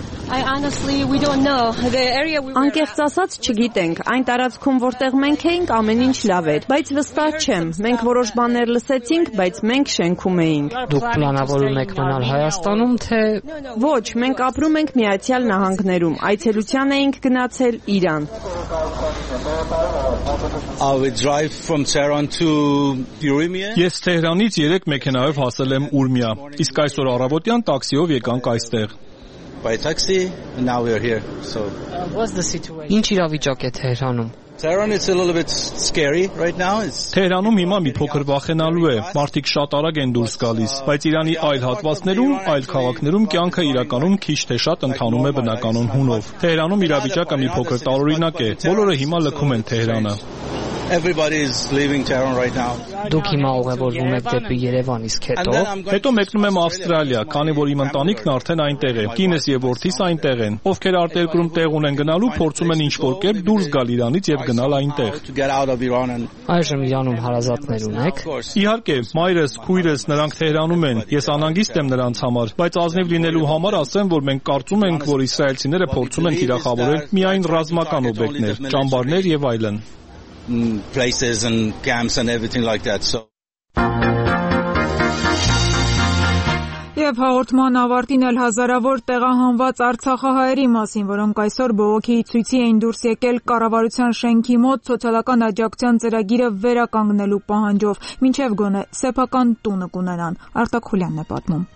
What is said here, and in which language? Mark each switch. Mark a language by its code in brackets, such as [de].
[en] I honestly we don't know the area we were [hy] Անկեղծ ասած չգիտենք, այն տարածքում որտեղ մենք էինք ամեն ինչ լավ էր, բայց վստահ չեմ, մենք որոշ բաներ լսեցինք, բայց մենք շենքում էինք։ Դուք պլանավորում եք մնալ Հայաստանում թե Ոչ, մենք ապրում ենք Միացյալ Նահանգներում, այցելության էինք գնացել Իրան։ [en] I drive from Tehran to Urmia. [hy] Ես Թեհրանից 3 մեքենայով հասել եմ Ուրմիա, իսկ այսօր առավոտյան տաքսիով եկանք այստեղ։ [en] By taxi and now we are here. So what's the situation? [hy] Ինչ իրավիճակ է Թեհրանում? [en] Tehran is a little bit scary right now. [hy] Թեհրանում հիմա մի փոքր վախենալու է, մարդիկ շատ արագ են դուրս գալիս, բայց Իրանի այլ հատվածներում, այլ քաղաքներում կյանքը իրականում քիչ թե շատ ընթանում է բնականոն հունով։ Թեհրանում իրավիճակը մի փոքր տարօրինակ է, բոլորը հիմա լքում են Թեհրանը։ [en] Everybody is leaving Tehran right now. [hy] Դուք հիմա ուղևորվում եք դեպի Երևան, իսկ հետո մեկնում եմ Ավստրալիա, քանի որ իմ ընտանիքն արդեն այնտեղ է։ Կինս եւ որդիս այնտեղ են։ Ովքեր արտերկրում տեղ ունեն գնալու, փորձում են ինչ-որ կերպ դուրս գալ Իրանից եւ գնալ այնտեղ։ Այժմ Իրանում հարազատներ ունեք։ Իհարկե, մայրս, քույրս, նրանք Թեհրանում են, ես անհանգիստ եմ նրանց համար, բայց ազնիվ լինելու համար ասեմ, որ մենք կարծում ենք, որ իսրայելցիները փորձում են թիրախավորել միայն ռազմական օբյեկտներ, ճամբարներ եւ այլն։ [en] Places and camps and everything like that. So. [hy] Եվ հաղորդման ավարտին էլ հազարավոր տեղահանված Արցախահայերի մասին, որոնք այսօր բողոքի ցույցի էին դուրս եկել կառավարության շենքի մոտ սոցիալական աջակցության ծրագիրը վերականգնելու պահանջով, մինչև գոնե սեփական տունը կունենան։ Արտակուլյանն է պատմում։